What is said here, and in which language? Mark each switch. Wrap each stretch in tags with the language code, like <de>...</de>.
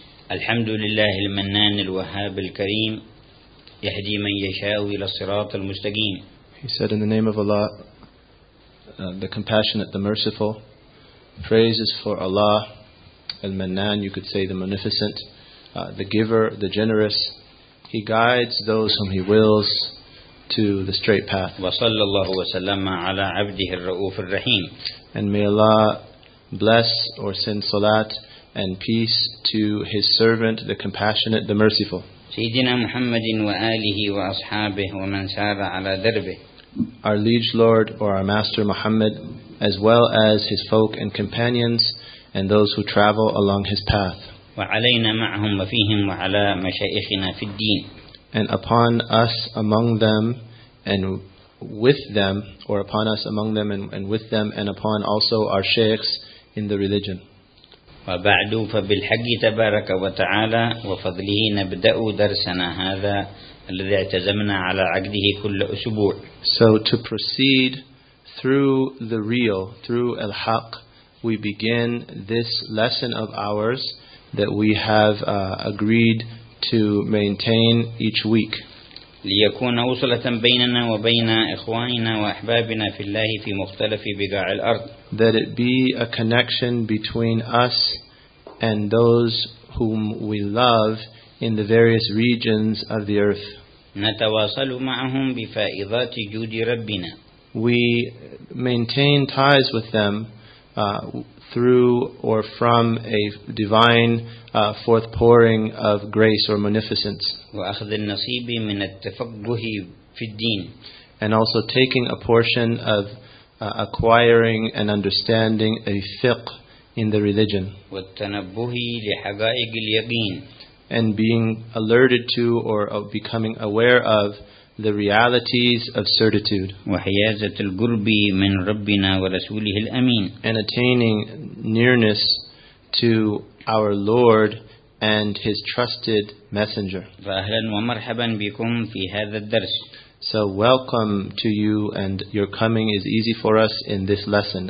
<ar>الحمد لله المنان الوهاب الكريم يهدي من يشاء إلى الصراط المستقيم.</ar> <en>He said in the name of Allah, the compassionate, the merciful. Praises for Allah, al-Mannan, you could say the munificent, the giver, the generous. He guides those whom he wills to the straight path.</en> <ar>وَصَلَّى اللَّهُ وَسَلَّمَ عَلَىٰ عَبْدِهِ الرَّؤُوفِ الرَّحِيمِ.</ar> <en>And may Allah bless or send salat and peace to His servant, the compassionate, the merciful.</en> <ar>سيدنا محمد وآله وأصحابه ومن سار على دربه.</ar> <en>Our liege lord or our master Muhammad, as well as his folk and companions and those who travel along his path.</en> <ar>وعلينا معهم وفيهم وعلى مشايخنا في الدين.</ar> <en>And upon us among them and with them, or upon us among them and with them, and upon also our sheikhs in the religion.</en> <ar>وبعد فبالحق تبارك وتعالى وفضله نبدأ درسنا هذا الذي اعتزمنا على عقده كل أسبوع.</ar> <en>So to proceed through the real, through al-haq, we begin this lesson of ours that we have agreed to maintain each week.</en> <ar>ليكون وصلة بيننا وبين إخواننا وأحبابنا في الله في مختلف بقاع الأرض.</ar> <en>That it be a connection between us and those whom we love in the various regions of the earth.</en> <ar>نتواصل معهم بفائضات جود ربنا.</ar> <en>We maintain ties with them through or from a divine forth pouring of grace or munificence.</en> <ar>وأخذ النصيب من التفقه في الدين.</ar> <en>And also taking a portion of acquiring and understanding a fiqh in the religion.</en> <ar>والتنبه لحقائق اليقين.</ar> <en>And being alerted to or becoming aware of the realities of certitude.</en> <ar>وحيازة القرب من ربنا ورسوله الأمين.</ar> <en>And attaining nearness to our Lord and His trusted messenger.</en> <ar>فأهلا ومرحبا بكم في هذا الدرس.</ar> <en>So welcome to you, and your coming is easy for us in this lesson.</en>